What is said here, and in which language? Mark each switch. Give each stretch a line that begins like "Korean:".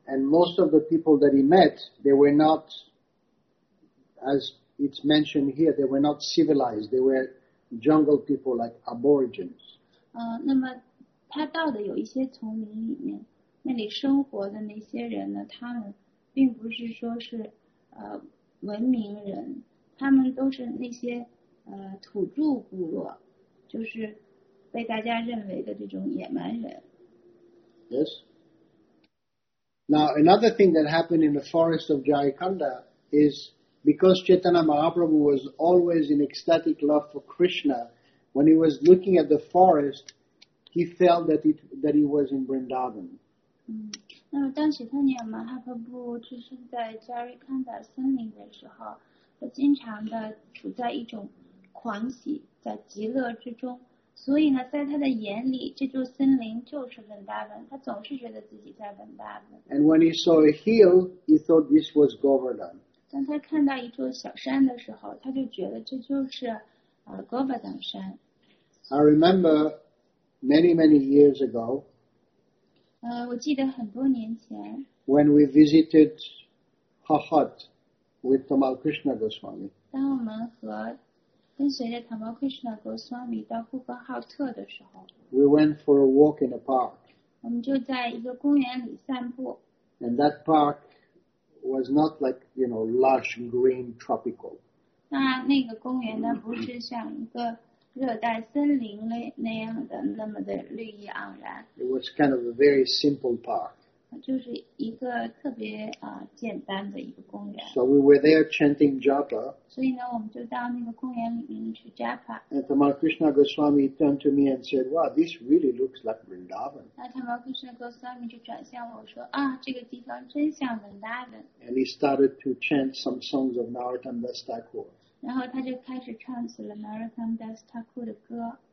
English: And most of the people that he met, they were not, as it's mentioned here, they were not civilized. They were jungle people like aborigines.
Chinese: 那么他到的有一些丛林里面，那里生活的那些人呢，他们并不是说是文明人，他们都是那些土著部落，就是被大家认为的这种野蛮人。
English: Yes. Now another thing that happened in the forest of Jayakanda is because Chaitanya Mahaprabhu was always in ecstatic love for Krishna. When he was looking at the forest, he felt that he was in Vrindavan.
Chinese: 那么当时当年马哈帕布置身在加瑞康达森林的时候，他经常的处在一种狂喜，在极乐之中。所以呢，在他的眼里，这座森林就是 Vrindavan， 他总是觉得自己在 Vrindavan。
English: And when he saw a hill, he thought this was Govardhan.
Chinese: 当他看到一座小山的时候，他就觉得这就是Govardhan山。
English: I remember many, many years ago,
Chinese: 我记得很多年前,
English: when we visited her hut with Tamal Krishna Goswami.
Chinese: 当我们和跟随着 Tamal Krishna Goswami 到呼和浩特的时候,
English: we went for a walk in a park.
Chinese: 我们就在一个公园里散步。
English: And that park was not like, you know, lush, green, tropical.
Chinese: 那个公园呢，不是像一个热带森林那样的那么的绿意盎然。
English: It was kind of a very simple park.
Chinese: 就是一个特别简单的一个公园。
English: So we were there chanting japa.
Chinese: 所以呢，我们就到那个公园里面去 japa.
English: And Tamal Krishna Goswami turned to me and said, "Wow, this really looks like Vrindavan."
Chinese: 那 Tamal Krishna Goswami 就转向我说，啊，这个地方真像 Vrindavan.
English: And he started to chant some songs of Narottam Das Thakur.
Chinese: 然后他就开始唱起了 Narottam Das Thakur 的歌。